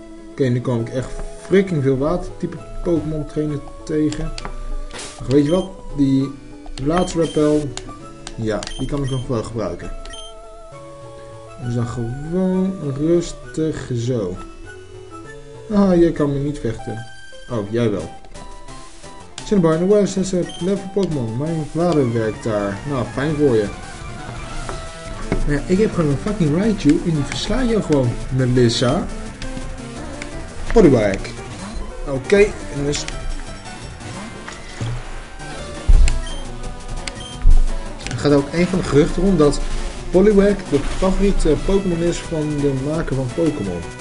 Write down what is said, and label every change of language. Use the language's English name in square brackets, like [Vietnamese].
[Dutch] Oké, nu kom ik echt freaking veel watertype Pokémon trainer tegen. Maar weet je wat? Die laatste rappel, ja, die kan ik nog wel gebruiken. Dus dan gewoon rustig zo. Ah, jij kan me niet vechten. Oh, jij wel. [English] Cinnabar in the West has a level Pokémon. [Dutch] Mijn vader werkt daar. Nou, fijn voor je. Nou ja, ik heb gewoon een fucking Raichu en die versla je gewoon, Melissa. Bodywag. Oké, en dus... Er gaat ook een van de geruchten rond dat... Poliwag de favoriete Pokémon is van de maker van Pokémon.